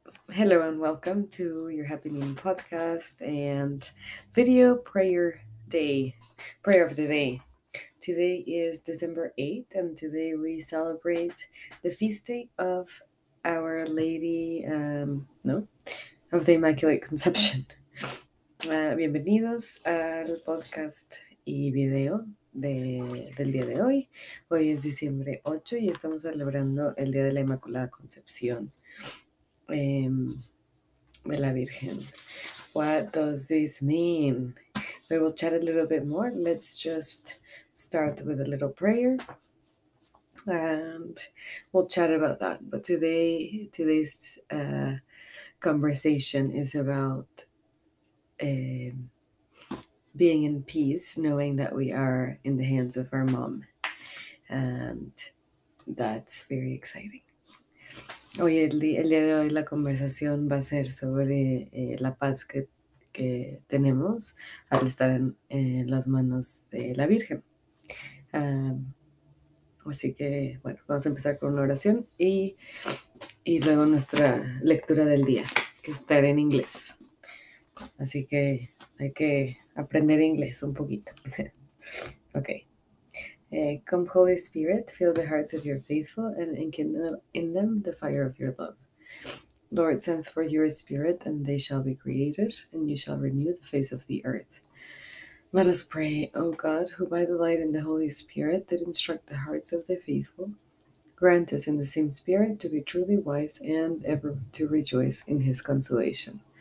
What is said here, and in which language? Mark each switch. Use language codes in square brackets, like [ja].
[en] Hello and welcome to your Happy Meeting Podcast and video prayer day, prayer of the day. Today is December 8th and today we celebrate the feast day of Our Lady, of the Immaculate Conception. [es] Bienvenidos al podcast y video del día de hoy. Hoy es diciembre 8 y estamos celebrando el día de la Inmaculada Concepción de la Virgen. [en] What does this mean? We will chat a little bit more. Let's just start with a little prayer and we'll chat about that. But today's conversation is about being in peace, knowing that we are in the hands of our mom. And that's very exciting. [es] Hoy, el día de hoy, la conversación va a ser sobre la paz que tenemos al estar en las manos de la Virgen. Así que, bueno, vamos a empezar con una oración y luego nuestra lectura del día, que estará en inglés. Así que hay que aprender inglés un poquito. [en] Okay. Come Holy Spirit, fill the hearts of your faithful and enkindle in them the fire of your love. Lord, send for your spirit and they shall be created and you shall renew the face of the earth. Let us pray, O God, who by the light and the Holy Spirit did instruct the hearts of the faithful, grant us in the same spirit to be truly wise and ever to rejoice in his consolation.